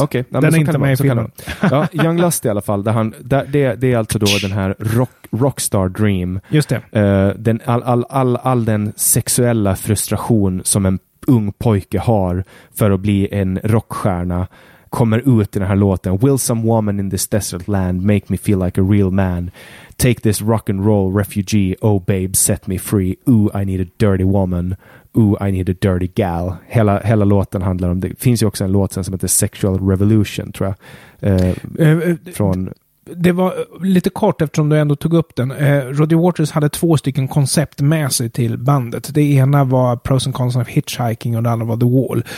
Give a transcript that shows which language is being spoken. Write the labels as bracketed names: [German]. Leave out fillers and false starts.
[Swedish] Okej, okay. Den är inte med i filmen. Ja, Young Lust i alla fall. Det är alltså då den här Rockstar Dream. Just det. All den sexuella frustration som en ung pojke har för att bli en rockstjärna kommer ut i den här låten. [English] Will some woman in this desert land make me feel like a real man? Take this rock and roll refugee. Oh babe, set me free. Ooh, I need a dirty woman. Ooh, I need a dirty gal. [Swedish] Hela låten handlar om det. Finns ju också en låt sen som heter Sexual Revolution, tror jag. Från det var lite kort eftersom du ändå tog upp den. Roddy Waters hade två stycken koncept med sig till bandet. Det ena var Pros and Cons of Hitchhiking och det andra var The Wall.